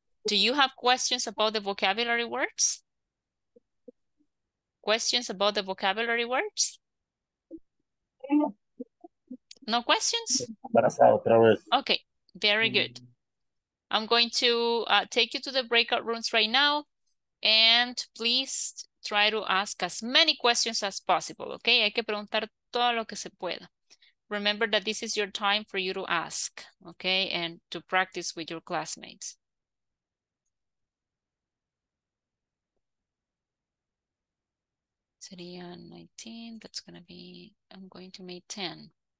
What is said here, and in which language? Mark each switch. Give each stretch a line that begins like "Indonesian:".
English: Do you have questions about the vocabulary words? Questions about the vocabulary words? No questions? Okay, very good. I'm going to take you to the breakout rooms right now. And please try to ask as many questions as possible, okay?
Spanish: Hay que preguntar todo lo que se pueda.
English: Remember that this is your time for you to ask, okay? And to practice with your classmates.
Spanish: Sería 19,
English: that's gonna be, I'm going to make 10.